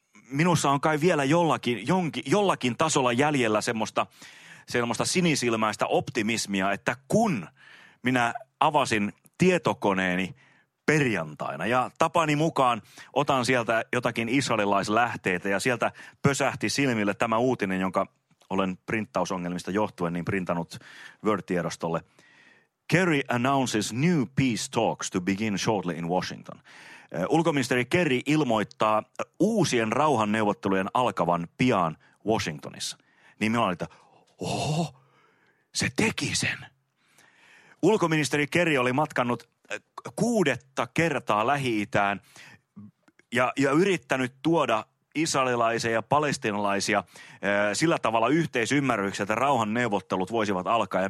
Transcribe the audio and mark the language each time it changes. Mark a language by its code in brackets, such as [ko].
[fi] minussa on kai vielä jollakin tasolla jäljellä semmoista sinisilmäistä optimismia, että kun minä avasin tietokoneeni perjantaina ja tapani mukaan otan sieltä jotakin israelilaislähteitä ja sieltä pösähti silmille tämä uutinen, jonka olen printtausongelmista johtuen niin printannut Word-tiedostolle. [en] Kerry announces new peace talks to begin shortly in Washington. [fi] Ulkoministeri Kerry ilmoittaa uusien rauhanneuvottelujen alkavan pian Washingtonissa. Niin minä olin, että oho, se teki sen. Ulkoministeri Kerry oli matkannut kuudetta kertaa Lähi-itään ja yrittänyt tuoda israelilaisia ja palestinalaisia sillä tavalla yhteisymmärryksiä, että rauhanneuvottelut voisivat alkaa.